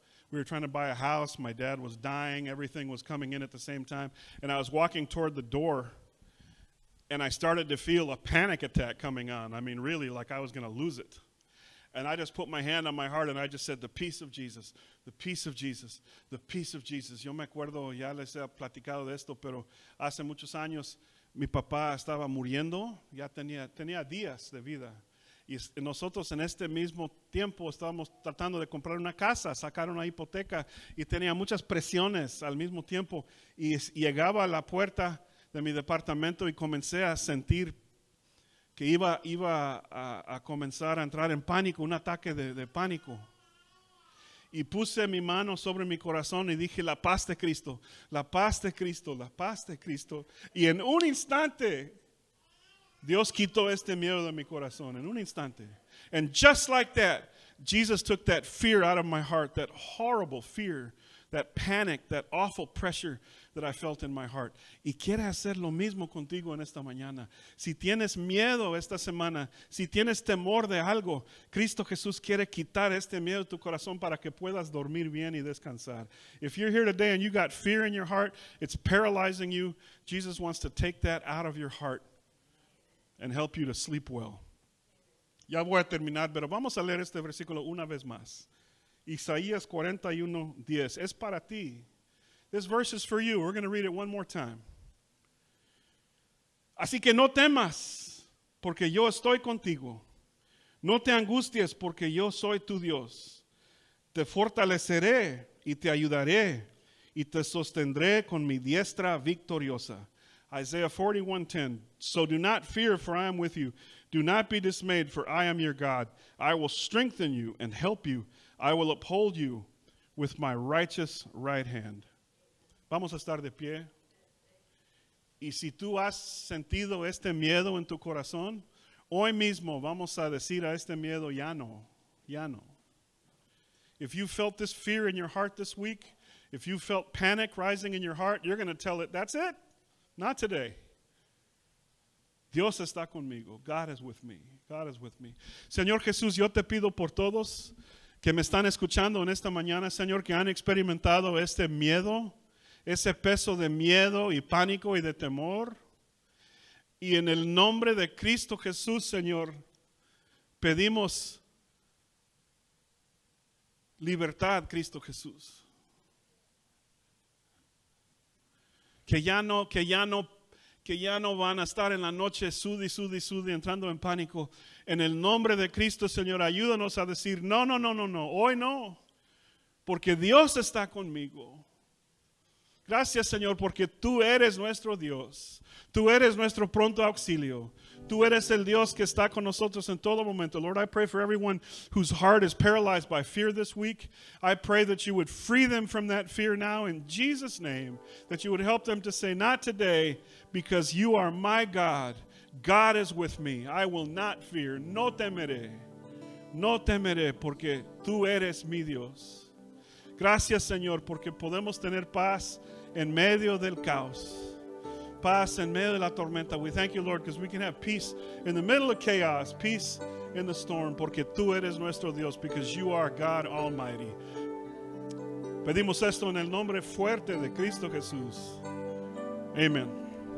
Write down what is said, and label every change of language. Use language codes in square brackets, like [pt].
[en] We were trying to buy a house. My dad was dying. Everything was coming in at the same time. And I was walking toward the door, and I started to feel a panic attack coming on. I mean, really, like I was going to lose it. And I just put my hand on my heart, and I just said, the peace of Jesus, the peace of Jesus, the peace of Jesus. [es] Yo me acuerdo, ya les he platicado de esto, pero hace muchos años, mi papá estaba muriendo, ya tenía días de vida. Y nosotros en este mismo tiempo estábamos tratando de comprar una casa, sacar una hipoteca, y tenía muchas presiones al mismo tiempo. Y llegaba a la puerta de mi departamento y comencé a sentir que iba a comenzar a entrar en pánico, un ataque de pánico. Y puse mi mano sobre mi corazón y dije, la paz de Cristo, la paz de Cristo, la paz de Cristo. Y en un instante, Dios quitó este miedo de mi corazón, en un instante. [en] And just like that, Jesus took that fear out of my heart, that horrible fear, that panic, that awful pressure that I felt in my heart. [es] Y quiere hacer lo mismo contigo en esta mañana. Si tienes miedo esta semana, si tienes temor de algo, Cristo Jesús quiere quitar este miedo de tu corazón para que puedas dormir bien y descansar. [en] If you're here today and you got fear in your heart, it's paralyzing you, Jesus wants to take that out of your heart and help you to sleep well. [es] Ya voy a terminar, pero vamos a leer este versículo una vez más. [en] Isaías 41:10. [es] Es para ti. [en] This verse is for you. We're going to read it one more time. [es] Así que no temas, porque yo estoy contigo. No te angusties, porque yo soy tu Dios. Te fortaleceré y te ayudaré y te sostendré con mi diestra victoriosa. [en] Isaiah 41:10. So do not fear, for I am with you. Do not be dismayed, for I am your God. I will strengthen you and help you. I will uphold you with my righteous right hand. [es] Vamos a estar de pie. Y si tú has sentido este miedo en tu corazón, hoy mismo vamos a decir a este miedo, ya no, ya no. [en] If you felt this fear in your heart this week, if you felt panic rising in your heart, you're going to tell it, that's it, not today. [es] Dios está conmigo. [en] God is with me. God is with me. [es] Señor Jesús, yo te pido por todos que me están escuchando en esta mañana, Señor, que han experimentado este miedo, ese peso de miedo y pánico y de temor. Y en el nombre de Cristo Jesús, Señor, pedimos libertad, Cristo Jesús. Que ya no, que ya no, que ya no van a estar en la noche sudi, entrando en pánico. En el nombre de Cristo, Señor, ayúdanos a decir, no, hoy no, porque Dios está conmigo. Gracias, Señor, porque tú eres nuestro Dios. Tú eres nuestro pronto auxilio. Tú eres el Dios que está con nosotros en todo momento. [en] Lord, I pray for everyone whose heart is paralyzed by fear this week. I pray that you would free them from that fear now in Jesus' name. That you would help them to say, not today, because you are my God. God is with me. I will not fear. [es] No temeré. No temeré, porque tú eres mi Dios. Gracias, Señor, porque podemos tener paz en medio del caos. Paz en medio de la tormenta. [en] We thank you, Lord, because we can have peace in the middle of chaos, peace in the storm, [es] porque tú eres nuestro Dios, [en] because you are God Almighty. [es] Pedimos esto en el nombre fuerte de Cristo Jesús. Amen.